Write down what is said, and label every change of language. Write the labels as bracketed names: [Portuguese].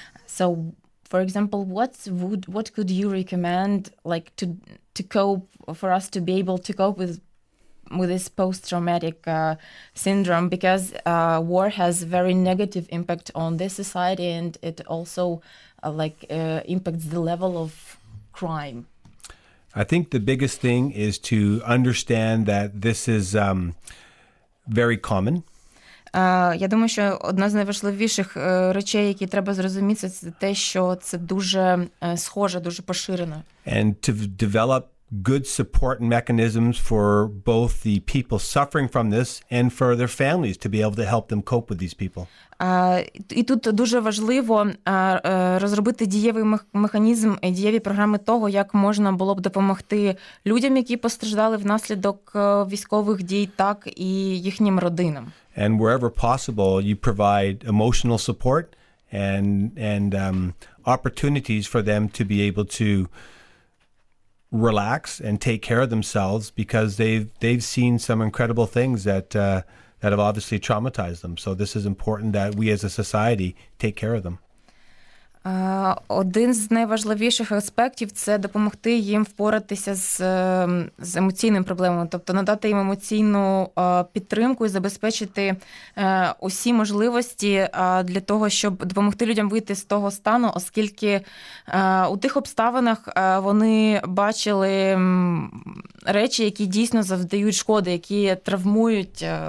[English] So, for example, what could you recommend, like to cope, for us to be able to cope with this post-traumatic syndrome, because war has very negative impact on this society and it also impacts the level of crime. I think the biggest thing is to understand that this is very common. [Ukrainian] Я думаю, що одна з найважливіших речей, які треба зрозуміти, це те, що це дуже схоже, дуже поширено. [English] And to develop good support mechanisms for both the people suffering from this and for their families to be able to help them cope with these people. [Ukrainian] І тут дуже важливо розробити дієвий механізм, дієві програми того, як можна було б допомогти людям, які постраждали внаслідок військових дій, так і їхнім родинам. [English] And wherever possible, you provide emotional support and opportunities for them to be able to relax and take care of themselves, because they've seen some incredible things that have obviously traumatized them. So this is important that we as a society take care of them. [Ukrainian] Один з найважливіших аспектів – це допомогти їм впоратися з емоційним проблемами, тобто надати їм емоційну підтримку і забезпечити усі можливості для того, щоб допомогти людям вийти з того стану, оскільки у тих обставинах вони бачили речі, які дійсно завдають шкоди, які травмують.